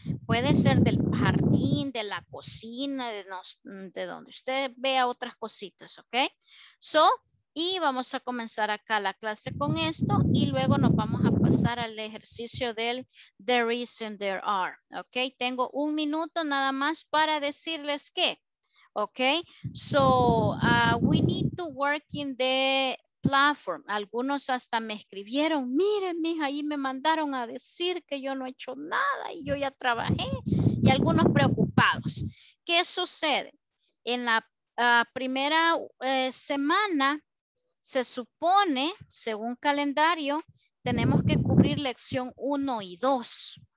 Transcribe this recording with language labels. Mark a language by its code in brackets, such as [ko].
[es] Puede ser del jardín, de la cocina, de donde usted vea otras cositas, ¿ok? So, y vamos a comenzar acá la clase con esto y luego nos vamos a pasar al ejercicio del there is and there are, ¿ok? Tengo un minuto nada más para decirles que, ¿ok? [en] So, we need to work in the platform. [es] Algunos hasta me escribieron, miren, mija, ahí me mandaron a decir que yo no he hecho nada y yo ya trabajé. Y algunos preocupados. ¿Qué sucede? En la primera semana, se supone, según calendario, tenemos que cubrir lección 1 y 2.